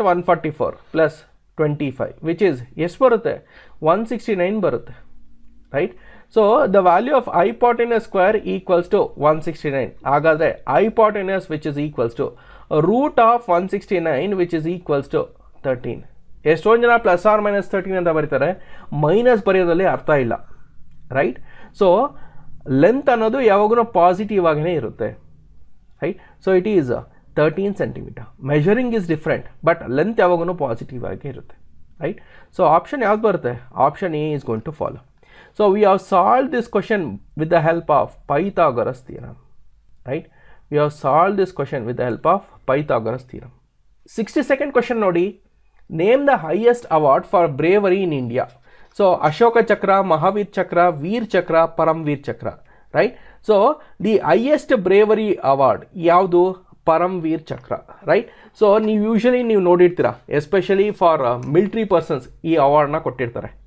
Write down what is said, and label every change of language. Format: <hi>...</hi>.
<en>144 plus 25, which is yes</en> <kn>baruthe 169 baruthe.</kn> <en>Right? So the value of hypotenuse square equals to 169.</en> <kn>Agadre</kn> <en>hypotenuse, which is equals to root of 169, which is equals to 13.</en> <kn>ಎಷ್ಟೋ ಜನ plus R minus 13 ಅಂತ ಬರೀತಾರೆ, minus ಬರೆಯೋದಲ್ಲಿ ಅರ್ಥ ಇಲ್ಲ. Right? So length ಅನ್ನೋದು ಯಾವಾಗೂ positive ಆಗಿನೇ ಇರುತ್ತೆ. Right?</kn> <en>So it is 13 centimetre. Measuring is different, but length</en> <kn>ಯಾವಾಗೂ ಪಾಸಿಟಿವ್ ಆಗಿ ಇರುತ್ತೆ.</kn> <en>Right? So option</en> <kn>ಯಾವ್ದು ಬರುತ್ತೆ?</kn> <en>Option A is going to follow. So we have solve this question with the help of Pythagoras theorem. Right? We have solve this question with the help of Pythagoras theorem. 62nd question ನೋಡಿ, name the highest award for bravery in India. So Ashoka Chakra, Mahavir Chakra, Veer Chakra, Paramvir Chakra. Right? So the highest bravery award</en> <kn>yavdu</kn> <en>Paramvir Chakra. Right? So you usually you</en> <kn>nodittira,</kn> <en>especially for military persons</en> <kn>ee award na kottirtare.</kn>